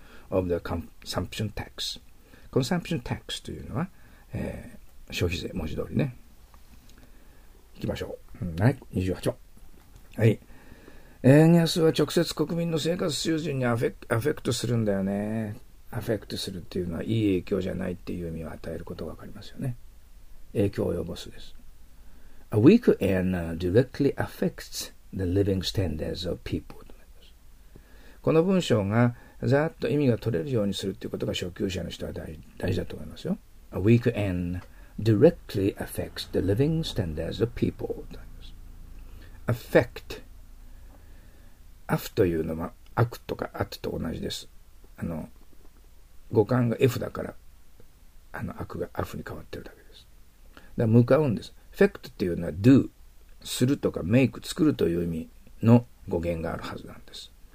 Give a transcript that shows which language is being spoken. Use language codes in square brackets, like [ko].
[en] of the consumption tax. [ja] Consumption tax というのは、消費税、文字通りね。いきましょう。28話。はい。円安は直接国民の生活水準にアフェクトするんだよね。アフェクトするっていうのは、いい影響じゃないっていう意味を与えることがわかりますよね。影響を及ぼすです。 [en] A weak yen directly affects the living standards of people. [ja] となります。この文章がざっと意味が取れるようにするっていうことが初級者の人は大事だと思いますよ。 [en] A weak yen directly affects the living standards of people. [ja] となります。Affect。アフというのは、アクとかアッと同じです。語感が F だから、アクがアフに変わってるだけです。だから向かうんです。 Effect っていうのは do、するとか make、作るという意味の語源があるはずなんです。